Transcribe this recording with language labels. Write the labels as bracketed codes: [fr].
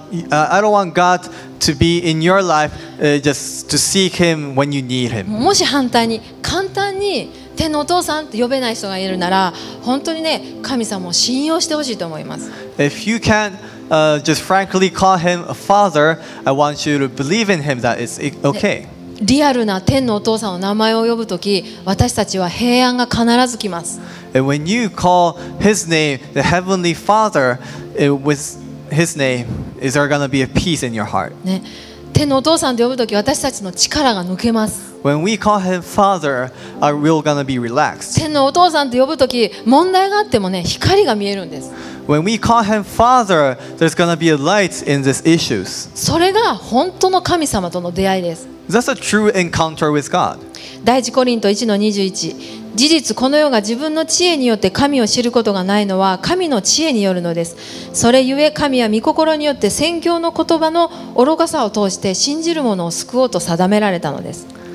[en] I don't want God to be in your life, just to seek him when you need him. [ja] もし反対に簡単に天のお父さんって呼べない人がいるなら、本当にね、神様を信用してほしいと思います。 [en] If you can't just frankly call him a father, I want you to believe in him that it's okay. [ja] リアルな天のお父さんの名前を呼ぶとき、私たちは平安が必ず来ます。 [en] And when you call his name, the heavenly father, with his name, is there going to be a peace in your heart? [ja] ね、天のお父さんと呼ぶとき、私たちの力が抜けます。 [en] When we call him father, we're going to be relaxed. [ja] 天のお父さんと呼ぶとき、問題があってもね、光が見えるんです。 [en] When we call him father, there's going to be a light in these issues. [ja] それが本当の神様との出会いです。 [en] That's a true encounter with God. [ja] 第一コリント1の21。事実この世が自分の知恵によって神を知ることがないのは神の知恵によるのです。それゆえ神は御心によって宣教の言葉の愚かさを通して信じる者を救おうと定められたのです。